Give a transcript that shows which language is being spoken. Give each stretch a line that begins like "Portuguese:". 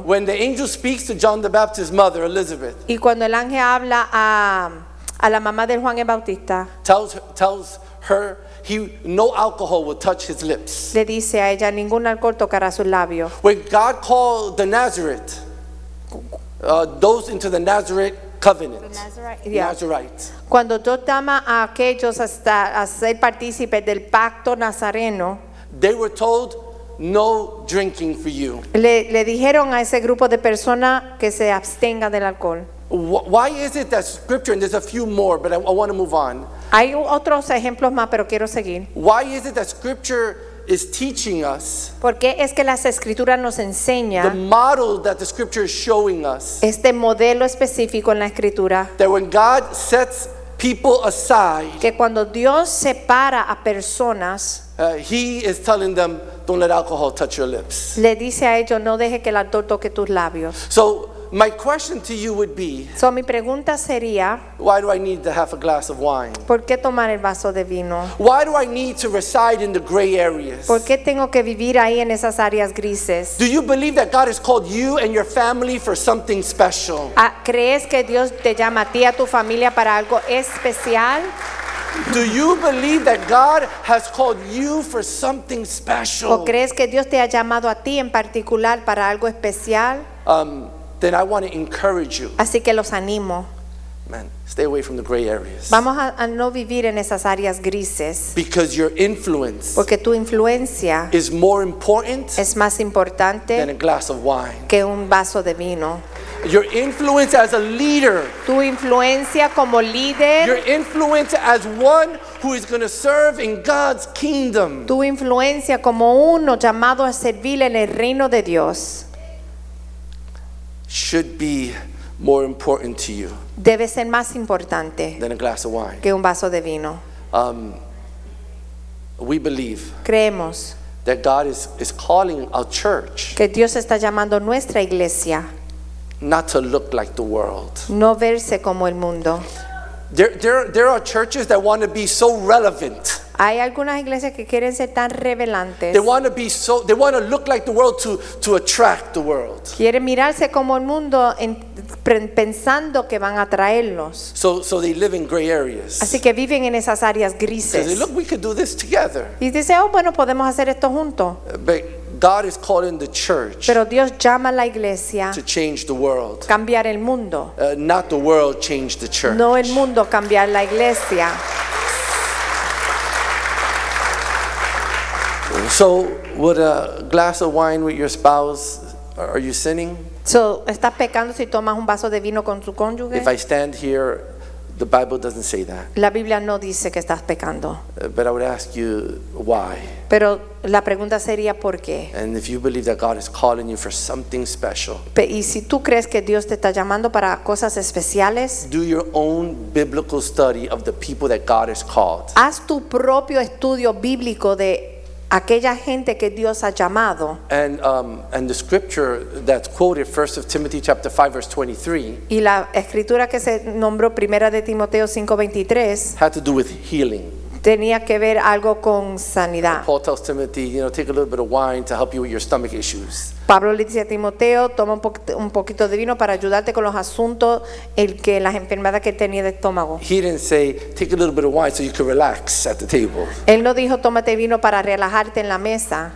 English: When the angel speaks to John the Baptist's mother, Elizabeth.
Spanish: Y cuando el ángel habla a la mamá de Juan el Bautista.
English: Tells her he no alcohol will touch his lips.
Spanish: Le dice a ella ningún alcohol tocará sus labios.
English: When God called the Nazareth. Those into the Nazareth covenant. The Nazarite. Yeah. Nazarite.
Spanish: Cuando Dios llama a aquellos hasta a ser partícipes del pacto nazareno.
English: They were told no drinking for you.
Spanish: Le dijeron a ese grupo de personas que se abstenga del alcohol.
English: Why is it that scripture, and there's a few more, but I want to move on.
Spanish: Hay otros ejemplos más, pero quiero seguir.
English: Why is it that scripture is teaching us?
Spanish: ¿Por qué es que las escrituras nos enseña?
English: The model that the scripture is showing us.
Spanish: Este modelo específico en la escritura.
English: That when God sets people aside.
Spanish: Que cuando Dios separa a personas.
English: He is telling them, don't let alcohol touch your lips.
Spanish: Le dice a ellos, no deje que el alcohol toque tus labios.
English: So my question to you would be,
Spanish: so mi pregunta sería,
English: why do I need to have a glass of wine?
Spanish: ¿Por qué tomar el vaso de vino?
English: Why do I need to reside in the gray areas?
Spanish: ¿Por qué tengo que vivir ahí en esas áreas grises?
English: Do you believe that God has called you and your family for something special?
Spanish: ¿Crees que Dios te llama a ti y a tu familia para algo especial?
English: Do you believe that God has called you for something special?
Spanish: ¿O crees que Dios te ha llamado a ti en particular para algo especial?
English: Then I want to encourage you.
Spanish: Así que los animo.
English: Man, stay away from the gray areas.
Spanish: Vamos a no vivir en esas áreas grises.
English: Because your influence,
Spanish: porque tu influencia,
English: is more important,
Spanish: es más importante,
English: than a glass of wine,
Spanish: que un vaso de vino.
English: Your influence as a leader,
Spanish: tu influencia como líder,
English: your influence as one who is going to serve in God's kingdom,
Spanish: tu influencia como uno llamado a servir en el reino de Dios,
English: should be more important to you,
Spanish: debe ser más importante,
English: than a glass of wine,
Spanish: que un vaso de vino.
English: We believe,
Spanish: creemos,
English: that God is calling a church,
Spanish: que Dios está llamando nuestra iglesia,
English: not to look like the world.
Spanish: No verse como el mundo.
English: There are churches that want to be so relevant.
Spanish: Hay algunas iglesias que quieren ser tan relevantes.
English: They want to look like the world to attract the world.
Spanish: Quieren mirarse como el mundo pensando que van a atraerlos.
English: So they live in gray areas.
Spanish: Así que viven en esas áreas grises.
English: They say, look, we could do this together.
Spanish: Y dice, oh, bueno, podemos hacer esto juntos.
English: But God is calling the church,
Spanish: pero Dios llama a la iglesia,
English: to change the world,
Spanish: cambiar el mundo,
English: not the world change the church,
Spanish: no el mundo cambiar la iglesia.
English: So would a glass of wine with your spouse, are you sinning?
Spanish: So estás pecando si tomas un vaso de vino con tu cónyuge.
English: If I stand here, the Bible doesn't say that.
Spanish: La Biblia no dice que estás pecando.
English: But I would ask you why.
Spanish: Pero la pregunta sería por qué.
English: And if you believe that God is calling you for something special.
Spanish: Y si tú crees que Dios te está llamando para cosas especiales.
English: Do your own biblical study of the people that God has called.
Spanish: Haz tu propio estudio bíblico de aquella gente que Dios ha llamado.
English: And the scripture that's quoted, 1 Timothy chapter 5 verse 23.
Spanish: Y la escritura que se nombró, 1 de Timoteo 5:23,
English: had to do with healing.
Spanish: Tenía que ver algo con sanidad.
English: Paul tells Timothy, you know, take a little bit of wine to help you with your stomach issues.
Spanish: Pablo le dice a Timoteo, toma un poquito de vino para ayudarte con los asuntos, las enfermedades que tenía de estómago.
English: He didn't say, take a little bit of wine so you can relax at the table.
Spanish: Él no dijo, tómate vino para relajarte en la mesa.